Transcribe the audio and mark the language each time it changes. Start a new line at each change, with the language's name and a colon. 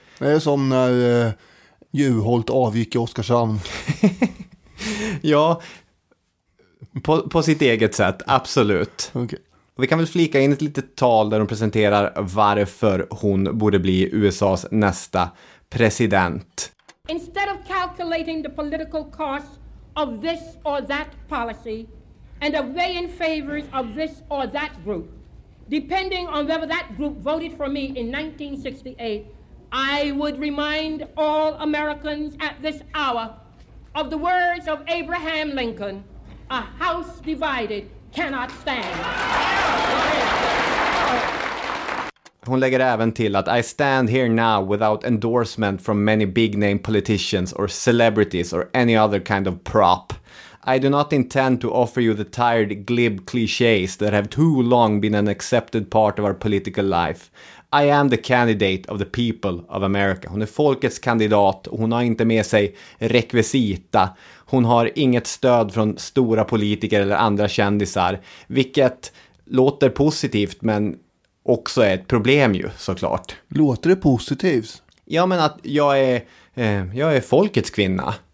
Swedish: Det är som när Juholt avgick i Oskarshamn. Ja, på sitt eget sätt, absolut. Okej. Okay. Vi kan väl flika in ett litet tal där hon presenterar varför hon borde bli USA:s nästa president.
English: Instead of calculating the political costs of this or that policy and of weighing favors of this or that group, depending on whether that group voted for me in 1968, I would remind all Americans at this hour of the words of Abraham Lincoln, a house divided cannot stand.
Swedish: Hon lägger även till att
English: I stand here now without endorsement from many big name politicians or celebrities or any other kind of prop. I do not intend to offer you the tired glib clichés that have too long been an accepted part of our political life. I am the candidate of the people of America.
Swedish: Hon är folkets kandidat och hon har inte med sig rekvisita. Hon har inget stöd från stora politiker eller andra kändisar. Vilket låter positivt men också är ett problem ju, såklart. Låter det positivt? Ja, men att jag är folkets kvinna.